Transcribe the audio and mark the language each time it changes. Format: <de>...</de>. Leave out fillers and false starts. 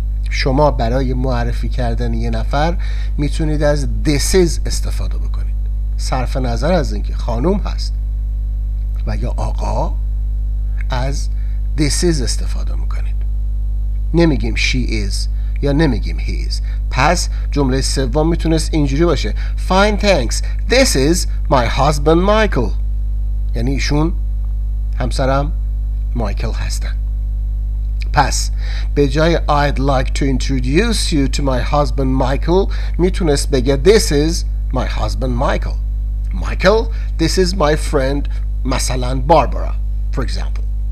<fa>شما برای معرفی کردن یه نفر میتونید از</fa> <en>This is</en> <fa>استفاده بکنید، صرف نظر از اینکه خانم هست و یا آقا، از This is استفاده میکنید. نمیگیم</fa> <en>she is</en> <fa>یا نمیگیم</fa> <en>he is.</en> <fa>پس جمله سوم میتونست اینجوری باشه</fa> <en>Fine thanks. This is my husband Michael.</en> <fa>یعنی ایشون همسرم مایکل هستن. پس به جای</fa> <en>I'd like to introduce you to my husband Michael</en> <fa>میتونست بگه</fa> <en>This is my husband Michael. Michael, this is my friend</en> <fa>مثلا</fa> <en>Barbara for example.</en>